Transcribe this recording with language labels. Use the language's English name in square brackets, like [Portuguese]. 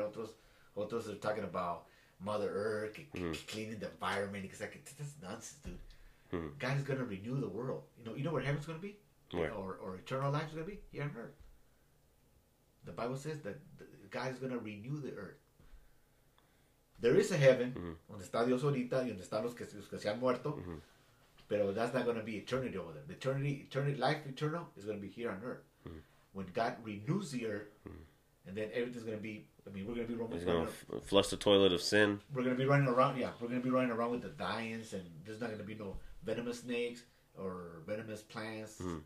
[Spanish] Otros [English] are talking about Mother Earth, cleaning the environment. It's like, that's nonsense, dude. Mm-hmm. God is going to renew the world. You know where heaven's going to be? Where? Or eternal life's going to be? Here on earth. The Bible says that God is going to renew the earth. There is a heaven, mm-hmm. [Spanish] donde está Dios ahorita y donde están los que se han muerto. [English] Mm-hmm. But that's not going to be eternity over there. Eternal life is going to be here on earth. Mm-hmm. When God renews the earth, mm-hmm. and then everything's going to be, we're going to be running around. He's going to flush the toilet of sin. We're going to be running around, we're going to be running around with the dyes, and there's not going to be no venomous snakes or venomous plants mm-hmm.